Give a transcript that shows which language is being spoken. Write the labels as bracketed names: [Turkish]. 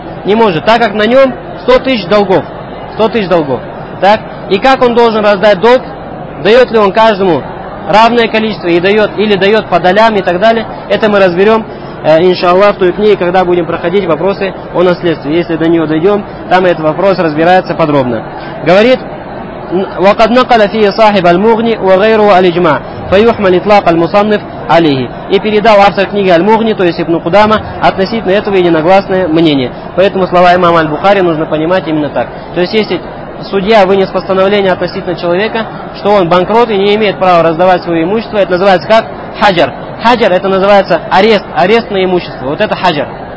[Russian] Не может, так как на нем 100 тысяч долгов. 100 тысяч долгов. Так? И как он должен раздать долг? Дает ли он каждому равное количество и дает, или дает по долям и так далее? Это мы разберем, иншаллах, в той книге, когда будем проходить вопросы о наследстве. Если до нее дойдем, там этот вопрос разбирается подробно. Говорит, [Arabic] وقد نقل فيه صاحب المغني وغيره الإجماع فيحمل إطلاق المصنف عليه. [Russian] И передал автор книги Аль-Мугни, то есть Ибн Кудама, относительно этого единогласное мнение. Поэтому слова имама Аль-Бухари нужно понимать именно так. То есть если судья вынес постановление относительно человека, что он банкрот и не имеет права раздавать свое имущество, это называется как хаджар. Хаджар — это называется арест, арест на имущество. Вот это хаджар.